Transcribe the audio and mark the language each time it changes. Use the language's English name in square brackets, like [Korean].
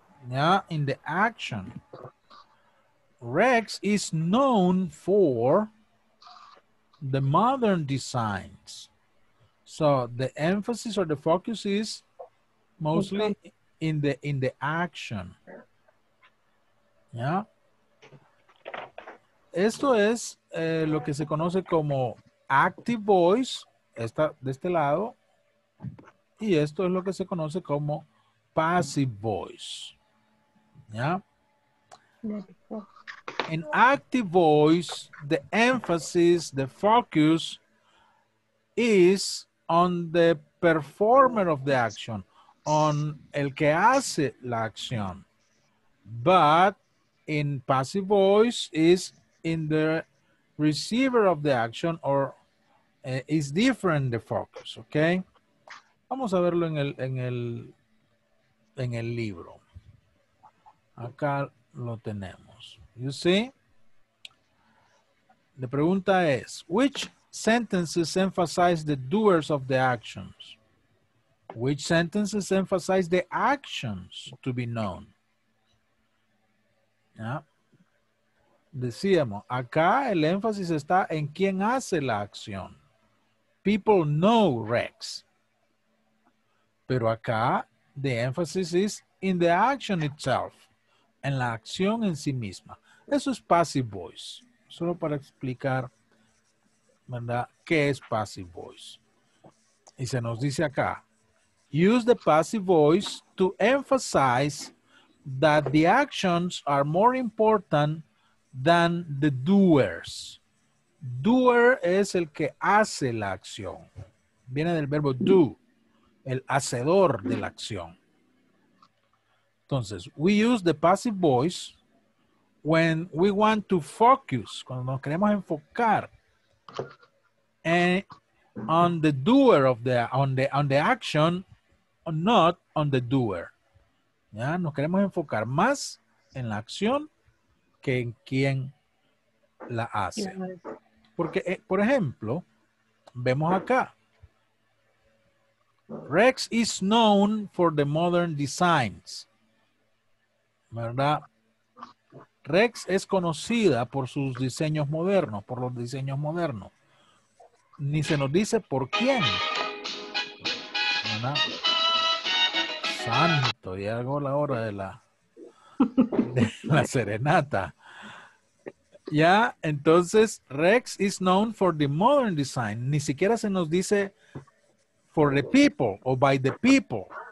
[English] Yeah, in the action. Rex is known for the modern designs. So the emphasis or the focus is mostly in the action. Yeah. [Spanish] Esto es lo que se conoce como active voice, está de este lado. Y esto es lo que se conoce como passive voice. ¿Ya? [English] In active voice, the emphasis, the focus is on the performer of the action, on [Spanish] el que hace la acción. [English] But in passive voice is in the receiver of the action or is different the focus, okay? [Spanish] Vamos a verlo en el libro. Acá lo tenemos. [English] You see? [Spanish] La pregunta es, [English] which sentences emphasize the doers of the actions? Which sentences emphasize the actions to be known? [Spanish] ¿Ya? Decíamos, acá el énfasis está en quién hace la acción. [English] People know Rex. [Spanish] Pero acá [English] The emphasis is in the action itself, [Spanish] en la acción en sí misma. Eso es passive voice. Solo para explicar, ¿verdad? ¿Qué es passive voice? Y se nos dice acá, [English] use the passive voice to emphasize that the actions are more important than the doers. [Spanish] Doer es el que hace la acción. Viene del verbo do, el hacedor de la acción. Entonces, [English] we use the passive voice when we want to focus, [Spanish] cuando nos queremos enfocar [English] and on the doer of the, on the action, not on the doer. [Spanish] ¿Ya? Nos queremos enfocar más en la acción que en quien la hace. Porque, por ejemplo, vemos acá. [English] Rex is known for the modern designs. [Spanish] ¿Verdad? Rex es conocida por sus diseños modernos, por los diseños modernos. Ni se nos dice por quién. ¿Verdad? Santo, ya llegó la hora de la serenata. Ya, entonces, [English] Rex is known for the modern design. [Spanish] Ni siquiera se nos dice [English] for the people [Spanish] o [English] by the people.